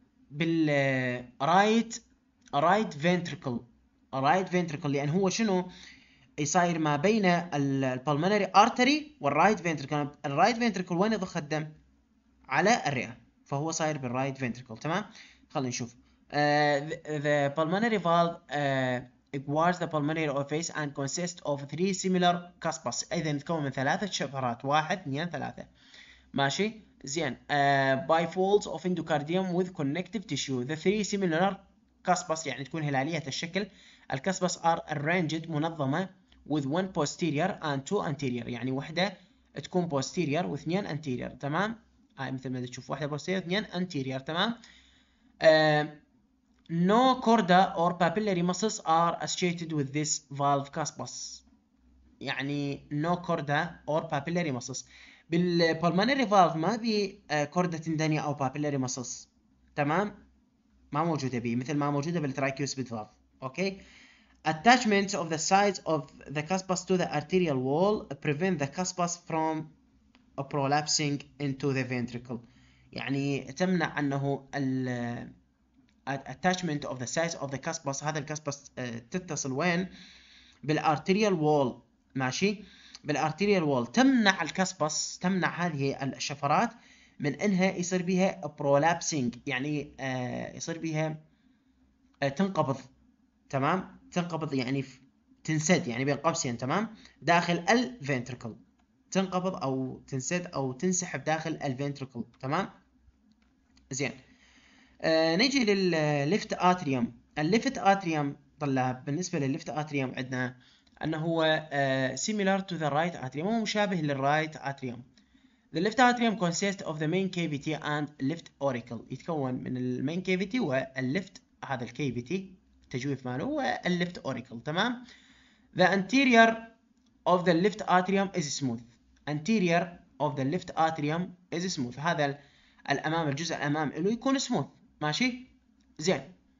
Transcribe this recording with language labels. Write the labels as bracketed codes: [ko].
[ar] بالرايت رايت فينتريكل رايت فينتريكل، لان هو شنو يصير ما بين البلمونري ارتري والرايت فينتريكل. الرايت فينتريكل وين يضخ الدم؟ على الرئه، فهو صاير بالرايت فينتريكل. تمام، خلينا نشوف. [en] The pulmonary valve guards the pulmonary orifice and consists of three similar cusps. [ar] اذا تكون من ثلاثة شفرات، واحد اثنين ثلاثة، ماشي زين. [en] By folds of endocardium with connective tissue. The three similar cusps [ar] يعني تكون هلالية الشكل. [en] الكسبس are arranged منظمة with one posterior and two anterior، [ar] يعني واحدة تكون [en] posterior واثنين anterior. [ar] تمام، هاي مثل ما تشوف واحدة posterior اثنين anterior. [en] تمام، no corda or papillary muscles are associated with this valve cuspus. يعني no corda or papillary muscles. بالpulmonary valve ما بي corda تندني أو papillary muscles. [ar] تمام؟ ما موجودة بي، مثل ما موجودة بالtricuspid valve. [en] Okay. Attachments of the sides of the cuspus to the arterial wall prevent the cuspus from prolapsing into the ventricle. [ar] يعني تمنع أنه ال attachment of the size of the cuspus، هذا الكسبس تتصل وين؟ بالarterial wall، ماشي؟ بالarterial wall تمنع الكسبس، تمنع هذه الشفرات من انها يصير بها prolapsing، يعني يصير بها تنقبض. تمام؟ تنقبض يعني تنسد، يعني بين قوسين، تمام؟ داخل الventricle، تنقبض او تنسد او تنسحب داخل الventricle. تمام؟ زين، نجي للليفت اتريوم. الليفت اتريوم طلاب، بالنسبه للليفت اتريوم عندنا انه هو [en] similar to the right atrium، [ar] هو مشابه للرايت اتريوم. [en] The left atrium consists of the main cavity and left auricle. [ar] يتكون من المين كافيتي والليفت، هذا الكافيتي تجويف ماله، والليفت auricle. [en] تمام، the anterior of the left atrium is smooth. Anterior of the left atrium is smooth. [ar] هذا الامام، الجزء الامام له يكون smooth، ماشي زين.